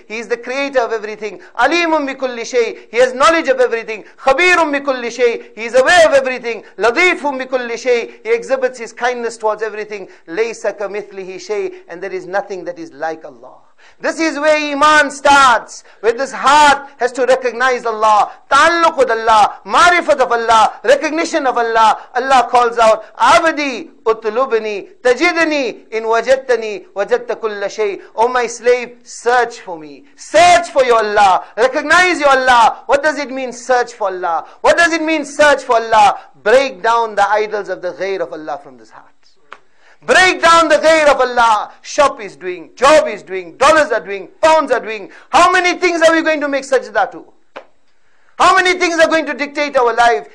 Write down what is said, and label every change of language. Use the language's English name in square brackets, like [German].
[English] He is the creator of everything. [Arabic] Alimun bi kulli shay. [English] He has knowledge of everything. [Arabic] Khabirun bi kulli shay. [English] He is aware of everything. Ladifu [Arabic] بكل شيء. [English] He exhibits his kindness towards everything. [Arabic] ليس كمثله شيء. [English] And there is nothing that is like Allah. This is where Iman starts. Where this heart has to recognize Allah. تعلق with Allah. معرفت of Allah. Recognition of Allah. Allah calls out, [Arabic] عبدي اطلبني تجدني إن وجدتني وجدت كل شيء. [English] O my slave, search for me. Search for your Allah. Recognize your Allah. What does it mean search for Allah? What does it mean search for Allah? Break down the idols of the غير of Allah from this heart. Break down the ghair of Allah. Shop is doing, job is doing, dollars are doing, pounds are doing. How many things are we going to make sajda to? How many things are going to dictate our life?